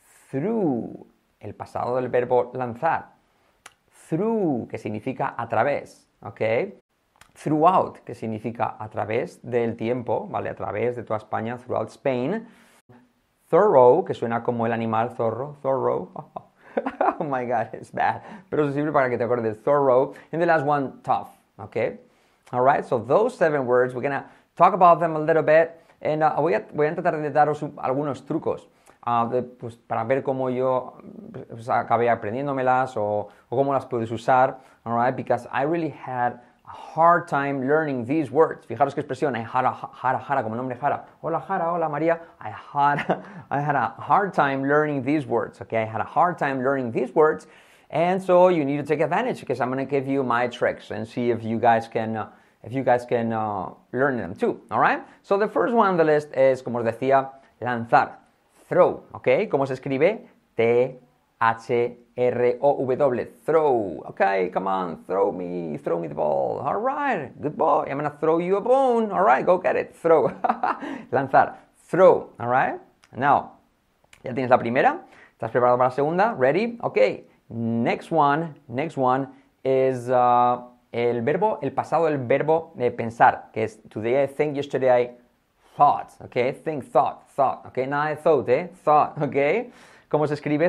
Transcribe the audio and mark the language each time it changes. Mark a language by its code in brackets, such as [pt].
[es] Through, el pasado del verbo lanzar. Through, que significa a través, ¿ok? Throughout, que significa a través del tiempo, ¿vale? A través de toda España, [en] throughout Spain. [es] Thorough, que suena como el animal zorro, thorough. [en] Oh my God, it's bad. [es] Pero eso sirve para que te acuerdes, thorough. [en] And the last one, tough, ¿ok? All right, so those seven words, we're gonna talk about them a little bit. [es] And voy a tratar de daros algunos trucos pues, para ver cómo yo pues, acabé aprendiéndomelas o cómo las puedes usar. [en] All right? Because I really had a hard time learning these words. [es] Fijaros qué expresión, I had a jara, como nombre jara. Hola jara, hola María. [en] I had a hard time learning these words. Okay, I had a hard time learning these words. And so you need to take advantage because I'm going to give you my tricks and see if you guys can... learn them too, all right? So the first one on the list is, [es] como os decía, lanzar, [en] throw, ¿ok? ¿Cómo se escribe? T-H-R-O-W, throw, ¿ok? Come on, throw me the ball, all right, good ball, I'm gonna throw you a bone, all right, go get it, throw, lanzar, throw, all right? [es] Now, ya tienes la primera, ¿estás preparado para la segunda? [en] Ready? Ok, next one is... [es] el verbo, el pasado del verbo pensar, que es [en] today I think, yesterday I thought, ok, think, thought, ok, not I thought, thought, ok. [es] ¿Cómo se escribe?